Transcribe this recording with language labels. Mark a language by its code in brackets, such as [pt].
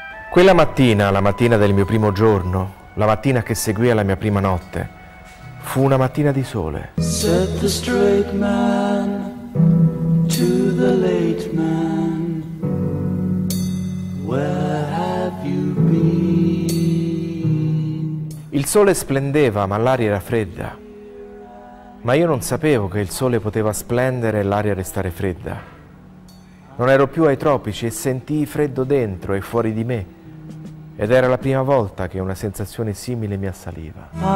[it] Quella mattina, la mattina del mio primo giorno, la mattina che seguì alla mia prima notte, fu una mattina di sole. [en] Said the straight man to the late man, where have you been? [it] Il sole splendeva, ma l'aria era fredda. Ma io non sapevo che il sole poteva splendere e l'aria restare fredda. Non ero più ai tropici e sentii freddo dentro e fuori di me. Ed era la prima volta che una sensazione simile mi assaliva.